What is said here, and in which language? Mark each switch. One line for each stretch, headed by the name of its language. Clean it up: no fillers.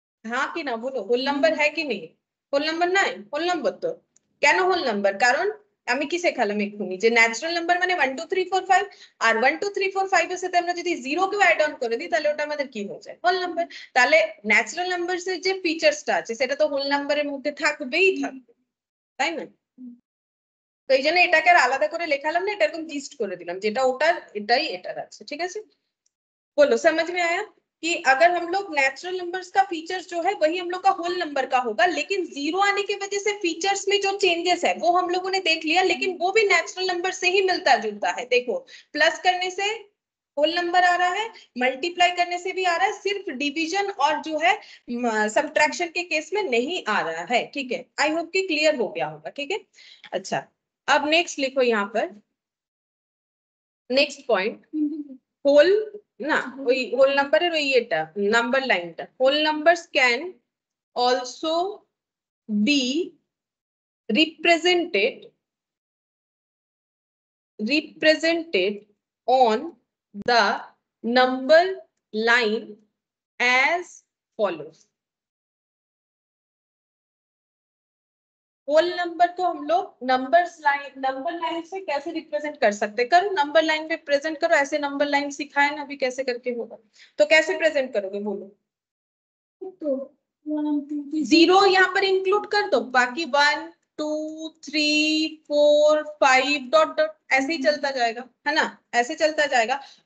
Hindi: हाँ कि ना बोलो, होल नंबर है कि नहीं, होल नंबर ना है, होल नंबर तो क्या ना होल नंबर, कारण
Bangla: আমি কি শেখালাম এক্ষুনি যে ন্যাচুরাল নাম্বার মানে 1 2 3 4 5, আর 1 2 3 4 5 এর সাথে আমরা যদি জিরো কে অ্যাড অন করে দিই তাহলে ওটা আমাদের কি হয়ে যায়, হোল নাম্বার. তাহলে ন্যাচুরাল নাম্বারস এর যে ফিচারসটা আছে সেটা তো হোল নাম্বারের মধ্যে থাকবেই থাকবে, তাই না? তো এই জন্য এটাকে আর আলাদা করে লেখালাম না, এটা এরকম জিস্ট করে দিলাম, যেটা ওটার এটাই এটার আছে, ঠিক আছে, বলো সমঝ মে আয়া
Hindi: कि अगर हम लोग नेचुरल नंबर्स का फीचर्स जो है वही हम लोग का होल नंबर का होगा, लेकिन जीरो आने की वजह से फीचर्स में जो चेंजेस है वो हम लोगों ने देख लिया, लेकिन वो भी नेचुरल नंबर से ही मिलता जुलता है. देखो प्लस करने से होल नंबर आ रहा है, मल्टीप्लाई करने से भी आ रहा है, सिर्फ डिविजन और जो है सब्ट्रैक्शन के केस में नहीं आ रहा है, ठीक है. आई होप कि क्लियर हो गया होगा, ठीक है. अच्छा अब नेक्स्ट लिखो यहाँ पर, नेक्स्ट पॉइंट होल
Bangla: না ওই হোল নাম্বারের ওই এটা নাম্বার লাইনটা,
English: Whole numbers can also be represented on the number line as follows.
Hindi: Whole number को हम लोग नंबर लाइन से कैसे रिप्रेजेंट कर सकते, करो नंबर लाइन पे प्रेजेंट करो, ऐसे नंबर लाइन सिखाए ना अभी कैसे करके होगा, तो कैसे प्रेजेंट करोगे बोलो, तो जीरो यहाँ पर इंक्लूड कर दो, बाकी 1 2 3 4 5 डॉट डॉट ऐसे ही चलता जाएगा, है ना, ऐसे चलता जाएगा।